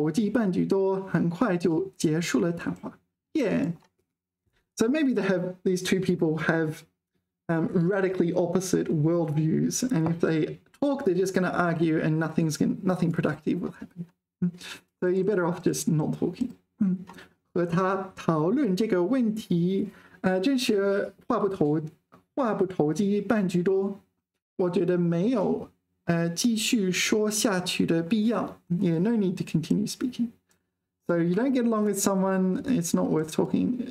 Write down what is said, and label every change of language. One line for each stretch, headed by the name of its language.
Chinese: 他们俩观点完全不同，话不投机半句多，很快就结束了谈话.
English: Yeah, so maybe they have, these two people have radically opposite worldviews, and if they talk, they're just going to argue, and nothing productive will happen. So you're better off just not talking.
Chinese: 和他讨论这个问题，真是话不投机半句多。我觉得没有。继续说下去的必要.
English: Yeah, no need to continue speaking. So you don't get along with someone, it's not worth talking.